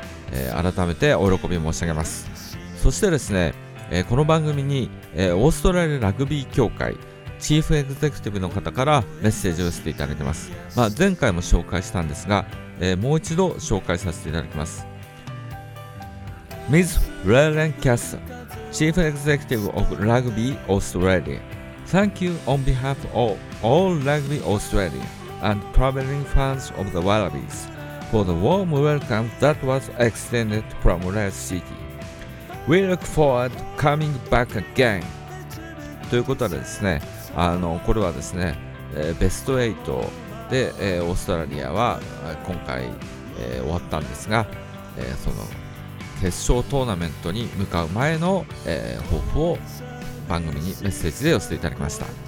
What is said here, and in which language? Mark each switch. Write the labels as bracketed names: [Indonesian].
[Japanese] 改めてお喜び申し上げます。そしてですね、この番組に、オーストラリアラグビー協会チーフエグゼクティブの方からメッセージを寄せていただいてます。前回も紹介したんですが、もう一度紹介させていただきます。 [English] Ms. Raylan Kasser Chief Executive of Rugby Australia. Thank you on behalf of all Rugby Australia and traveling fans of the Wallabies for the warm welcome that was extended from Red City. We look forward to coming back again. [Japanese] ということでですね、これはですね、ベスト8で、オーストラリアは今回、終わったんですが、その決勝トーナメントに向かう前の、抱負を番組にメッセージで寄せていただきました。